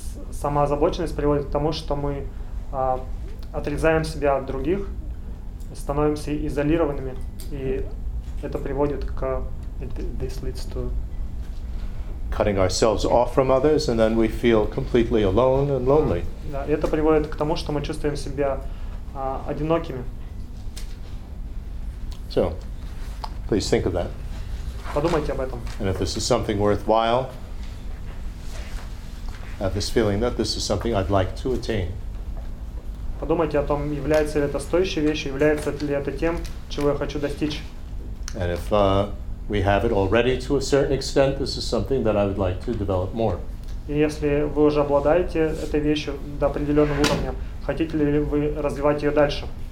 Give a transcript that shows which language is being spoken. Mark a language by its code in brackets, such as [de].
[ru] Самоозабоченность приводит к тому, что мы отрезаем себя от других, становимся изолированными, и это приводит к... [en] This leads to... Cutting ourselves off from others, and then we feel completely alone and lonely. [ru] Да, это приводит к тому, что мы чувствуем себя одинокими. [en] So, please think of that. [ru] Подумайте об этом. [en] And if this is something worthwhile, have this feeling that this is something I'd like to attain. [ru] Подумайте о том, является ли это стоящей вещью, является ли это тем, чего я хочу достичь. [en] And if we have it already to a certain extent, this is something that I would like to develop more. [ru] И если вы уже обладаете этой вещью до определенного уровня, хотите ли вы развивать ее дальше?